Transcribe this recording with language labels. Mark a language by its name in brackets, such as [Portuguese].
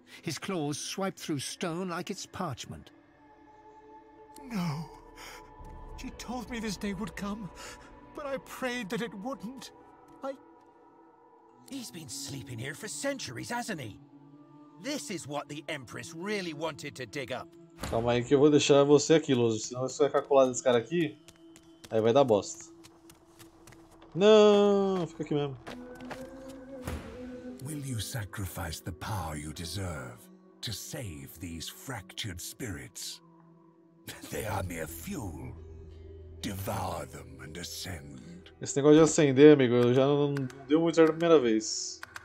[English] His claws swipe through stone like it's parchment. No. She told me this day would come, but I prayed that it wouldn't. I He's been sleeping here for centuries, hasn't he? This is what the Empress really wanted to dig up. [Portuguese] Calma aí que eu vou deixar você aqui, Lúcio. Senão você vai ficar colado nesse cara aqui. Aí vai dar bosta. Não, fica aqui mesmo. [English] Will you sacrifice the power you deserve to save these fractured spirits? They are mere fuel. Devour them and ascend. [Portuguese] Esse negócio de acender, amigo, eu já não deu muito certo a primeira vez.